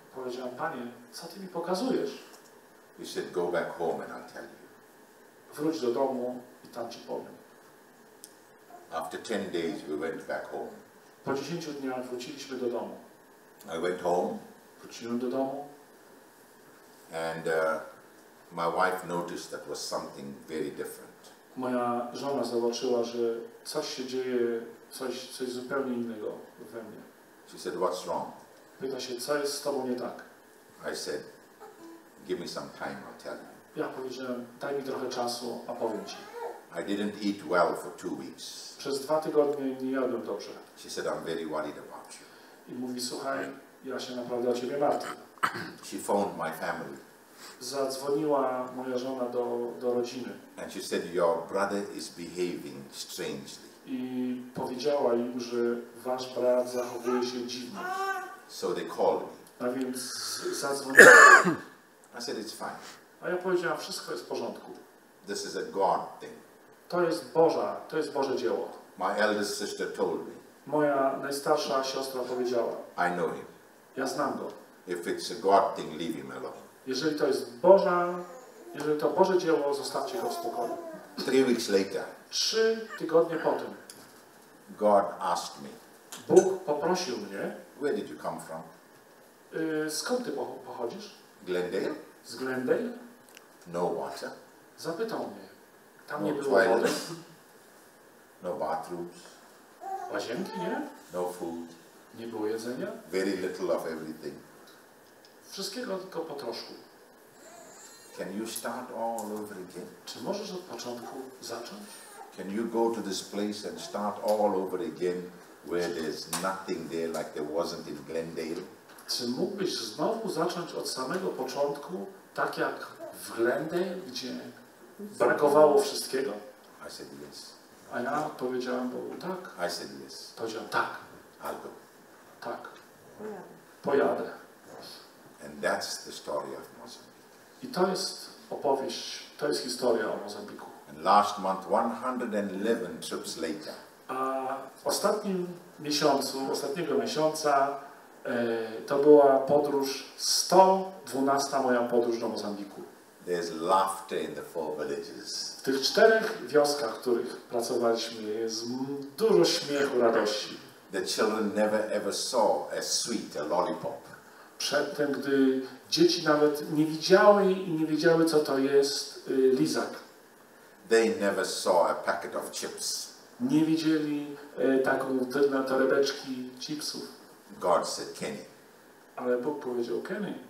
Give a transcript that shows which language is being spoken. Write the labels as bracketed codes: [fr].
[pl] Powiedziałem, Panie, co ty mi pokazujesz? [en] He said, go back home and I'll tell you. [pl] Wróć do domu i tam ci powiem. [en] After 10 days we went back home. [pl] Po 10 dniach wróciliśmy do domu. [en] I went home. [pl] Wróciłem do domu. [en] And my wife noticed that was something very different. [pl] Moja żona zobaczyła, że coś się dzieje, coś zupełnie innego we mnie. [en] She said, what's wrong? [pl] Pyta się, co jest z tobą nie tak? [en] I said, give me some time, I'll tell you. [pl] Ja powiedziałem, daj mi trochę czasu, a powiem ci. [en] I didn't eat well for 2 weeks. [pl] Przez 2 tygodnie nie jadłem dobrze. [en] She said, I'm very worried about you. [pl] I mówi, słuchaj, ja się naprawdę o ciebie martwię. [en] She phoned my family. [pl] Zadzwoniła moja żona do rodziny. [en] And she said, your brother is behaving strangely. [pl] I powiedziała im, że wasz brat zachowuje się dziwnie. [en] So they called me. [pl] A więc zadzwoniła. [en] I said, it's fine. [pl] A ja powiedziałam, wszystko jest w porządku. [en] This is a God thing. [pl] To jest Boże dzieło. [en] My eldest sister told me. [pl] Moja najstarsza siostra powiedziała. [en] I know him. [pl] Ja znam go. [en] If it's a God thing, leave him alone. [pl] Jeżeli to Boże dzieło, zostawcie go w spokoju. [en] 3 weeks later. [pl] 3 tygodnie potem. [en] God asked me. [pl] Bóg poprosił mnie. [en] Where did you come from? [pl] Skąd ty pochodzisz? [en] Glendale. [pl] Z Glendale. [en] No water. [pl] Zapytał mnie. Tam nie było wody. [en] No bathrooms. [pl] Łazienki nie? [en] No food. [pl] Nie było jedzenia? [en] Very little of everything. [pl] Wszystkiego tylko po troszku. [en] Can you start all over again? [pl] Czy możesz od początku zacząć? [en] Can you go to this place and start all over again where there's nothing there like there wasn't in Glendale? [pl] Czy mógłbyś znowu zacząć od samego początku, tak jak w Glendale, gdzie brakowało wszystkiego? [en] I said yes. [pl] A ja odpowiedziałem Bogu, tak. [en] I said yes. [pl] Powiedziałem, tak. [en] I'll go. [pl] Tak. Pojadę. [en] And that's the story of Mozambique. [pl] I to jest opowieść, to jest historia o Mozambiku. [en] And last month, 111 trips later. [pl] A w ostatnim miesiącu, ostatniego miesiąca, to była podróż, 112 moja podróż do Mozambiku. [en] There's laughter in the 4 villages. [pl] W tych 4 wioskach, w których pracowaliśmy, jest dużo śmiechu, radości. [en] The children never ever saw a sweet, a lollipop. [pl] Przedtem, gdy dzieci nawet nie widziały i nie wiedziały, co to jest lizak. [en] They never saw a packet of chips. [pl] Nie widzieli taką na torebeczki chipsów. [en] God said, Kenny. [pl] Ale Bóg powiedział, Kenny.